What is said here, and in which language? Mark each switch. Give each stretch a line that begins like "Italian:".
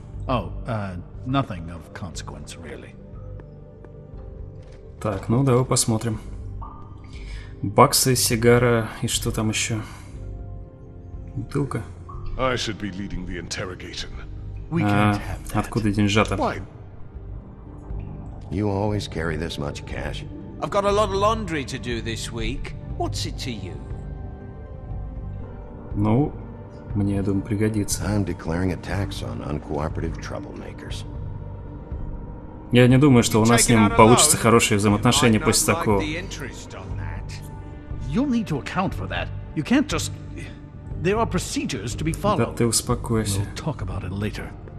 English: Oh, nothing of consequence, really.
Russian: Так, ну давай посмотрим. Баксы, сигара и что там еще? Бутылка.
English: I should be leading the interrogation. We can't have that.
Russian: Откуда деньжата?
English: Why? You always carry this much cash. I've got a lot of laundry to do this week. What's it to you?
Russian: Ну, мне, я думаю, пригодится.
English: I'm declaring a tax on uncooperative troublemakers.
Russian: Я не думаю, что у нас с ним получится хорошее взаимоотношение после такого.
English: You'll need to account for that. You can't just... There are procedures to be followed.
Russian: Да ты успокойся.
English: We'll talk about it later.